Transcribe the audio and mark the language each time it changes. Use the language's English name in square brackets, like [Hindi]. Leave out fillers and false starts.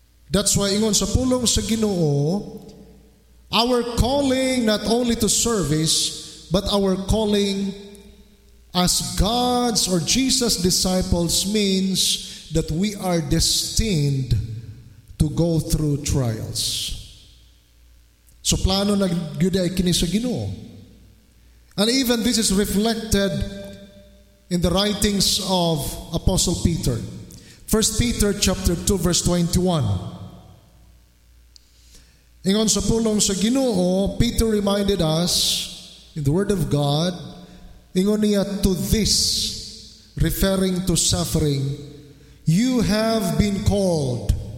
[English] That's why [Cebuano] ingon sa pulong sa Ginoo, [English] our calling not only to service, but our calling as God's or Jesus' disciples means that we are destined to go through trials. [Cebuano] So plano na gyud ay kini sa Ginoo. [English] And even this is reflected in the writings of Apostle Peter. 1 Peter chapter 2 verse 21. [Cebuano] Ingon sa pulong sa Ginoo, [English] Peter reminded us in the Word of God, [Cebuano] ingon niya, [English] to this, referring to suffering, you have been called.